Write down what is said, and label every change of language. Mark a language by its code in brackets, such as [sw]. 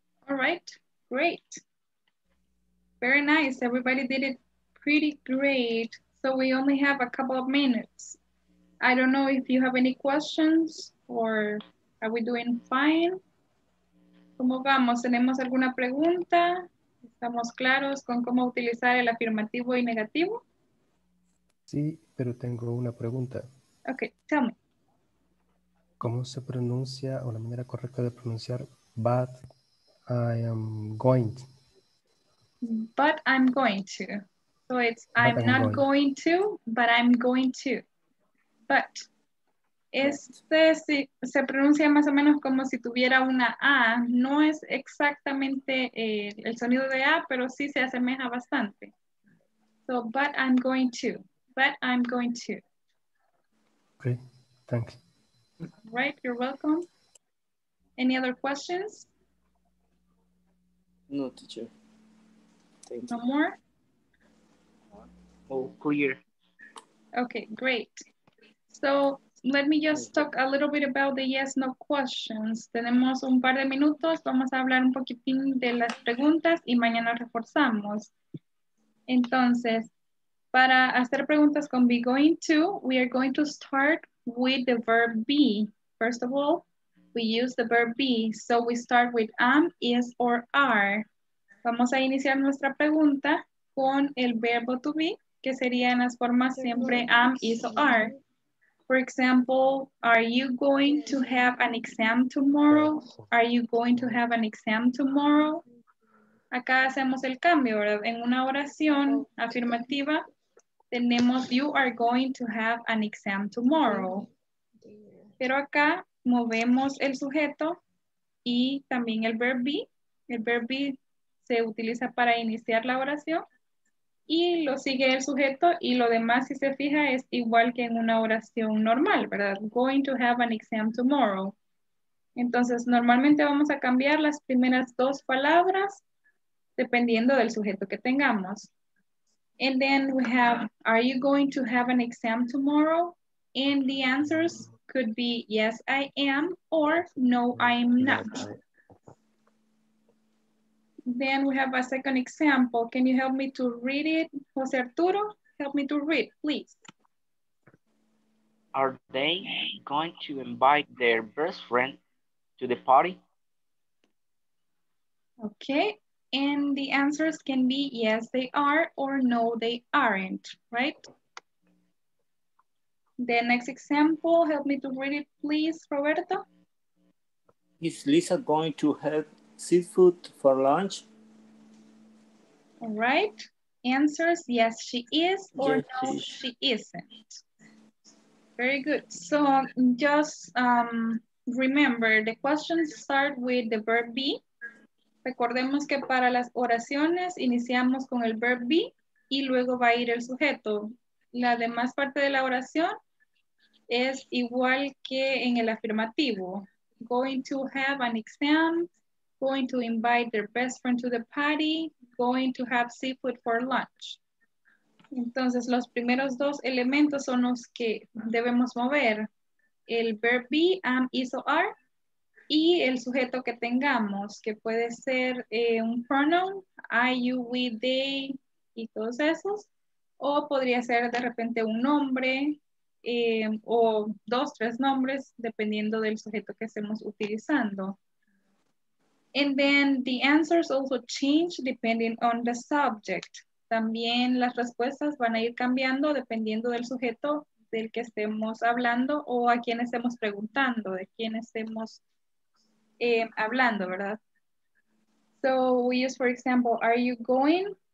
[en] All right, great. Very nice, everybody did it pretty great. So we only have a couple of minutes. I don't know if you have any questions or are we doing fine? [es] ¿Cómo vamos? ¿Tenemos alguna pregunta? ¿Estamos claros con cómo utilizar el afirmativo y negativo? Sí, pero tengo una pregunta. [en] Ok, tell me. [es] ¿Cómo se pronuncia o la manera correcta de pronunciar [en] but I am going to? But I'm going to. So it's but I'm not going to, but I'm going to. But. [es] Este si, se pronuncia más o menos como si tuviera una A. No es exactamente el sonido de A, pero sí se asemeja bastante. [en] So, but I'm going to. But I'm going to. Okay, thank you. Right, you're welcome. Any other questions? No, teacher. No more? Oh, clear. Okay, great. So let me just talk a little bit about the yes, no questions. [es] Tenemos un par de minutos. Vamos a hablar un poquitín de las preguntas y mañana reforzamos. Entonces, para hacer preguntas con [en] be going to, we are going to start with the verb be. First of all, we use the verb be. So we start with am, is, or are. [es] Vamos a iniciar nuestra pregunta con el verbo to be, que sería en las formas siempre am, is, or are. [en] For example, are you going to have an exam tomorrow? Are you going to have an exam tomorrow? [es] Acá hacemos el cambio, ¿verdad? En una oración afirmativa, tenemos [en] you are going to have an exam tomorrow. [es] Pero acá movemos el sujeto y también el verb be. El verb be se utiliza para iniciar la oración y lo sigue el sujeto y lo demás, si se fija, es igual que en una oración normal, ¿verdad? [en] Going to have an exam tomorrow. [es] Entonces, normalmente vamos a cambiar las primeras dos palabras dependiendo del sujeto que tengamos. [en] And then we have, are you going to have an exam tomorrow? And the answers could be yes, I am, or no, I am not. Then we have a second example. Can you help me to read it? Jose Arturo, help me to read, please. Are they going to invite their best friend to the party? Okay, and the answers can be yes, they are, or no, they aren't, right? The next example, help me to read it, please, Roberto. Is Lisa going to have seafood for lunch? All right, answers, yes, she is, or yes, no, she isn't. Very good. So just remember, the questions start with the verb be. [es] Recordemos que para las oraciones, iniciamos con el verb be, y luego va a ir el sujeto. La demás parte de la oración es igual que en el afirmativo. [en] Going to have an exam, going to invite their best friend to the party, going to have seafood for lunch. [es] Entonces, los primeros dos elementos son los que debemos mover. El verb be, am, is, or are, y el sujeto que tengamos, que puede ser un pronoun, I, you, we, they, y todos esos, o podría ser de repente un nombre, o dos, tres nombres, dependiendo del sujeto que estemos utilizando. [en] And then the answers also change depending on the subject. [es] También las respuestas van a ir cambiando dependiendo del sujeto del que estemos hablando o a quién estemos preguntando, de quién estemos hablando, ¿verdad? [en] So we use, for example, are you going?